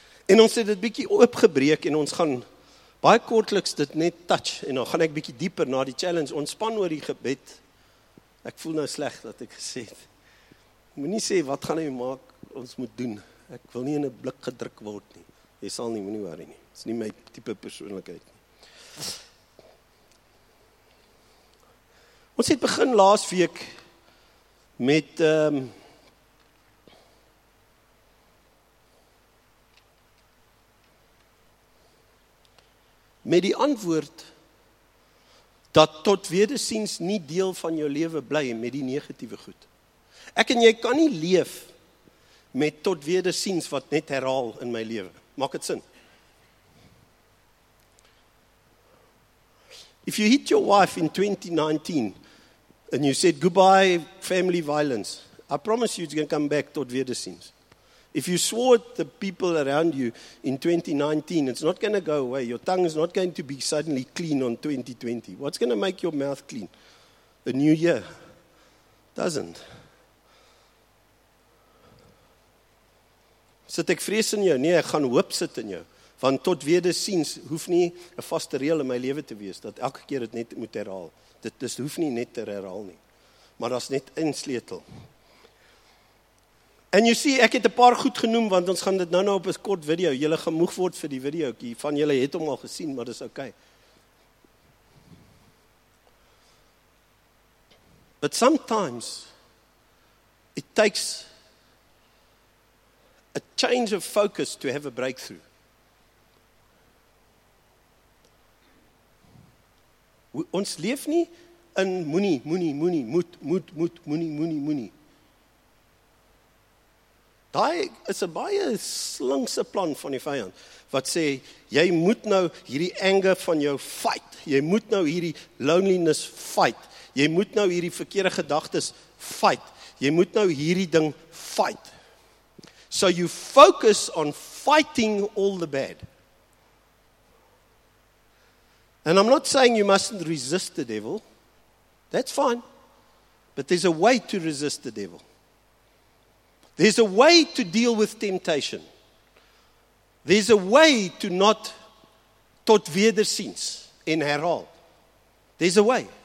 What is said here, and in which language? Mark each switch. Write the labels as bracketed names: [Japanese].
[Afrikaans] En ons het dit bietjie opgebreek en ons gaan baie kortliks dit net touch en dan gaan ek bietjie dieper na die challenge. Ontspan oor die gebed Ek voel nou sleg dat ek gesê het. Moenie sê wat gaan hy maak, ons moet doen. Ek wil nie in 'n blik gedruk word nie. Jy sal nie, moenie worry nie. Dit is nie my tipe persoonlikheid nie. Ons het begin laas week met met die antwoord dat tot wedersiens nie deel van jou lewe bly met die negatiewe goed. Ek en jy kan nie leef met tot wedersiens wat net herhaal in my lewe. Maak dit sin? [English] If you hit your wife in 2019 and you said goodbye family violence, I promise you it's going to come back tot wedersiens. If you swore at the people around you in 2019, it's not going to go away. Your tongue is not going to be suddenly clean on 2020. What's going to make your mouth clean? A new year? Doesn't. [Afrikaans] Sit ek vrees in jou? Nee, ek gaan hoop sit in jou. Want tot wedersiens hoef nie 'n vaste reël in my lewe te wees, dat elke keer dit net moet herhaal. Dit hoef nie net te herhaal nie. Maar dat is net een sleutel. En jy sien, ek het 'n paar goed genoem, want ons gaan dit nou op 'n kort video. Julle gemoeg word vir die video. Van julle het hom al gesien, maar dis ok. [English] But sometimes, it takes a change of focus to have a breakthrough. [Afrikaans] Ons leef nie in moenie. Daai is 'n baie slinkse plan van die vyand, wat sê, jy moet nou hierdie anger van jou fight, jy moet nou hierdie loneliness fight, jy moet nou hierdie verkeerde gedagtes fight, jy moet nou hierdie ding fight. [English] So you focus on fighting all the bad. And I'm not saying you mustn't resist the devil, that's fine, but there's a way to resist the devil. There's a way to deal with temptation. There's a way to not [Afrikaans] tot wedersiens en herhaal. [English] There's a way.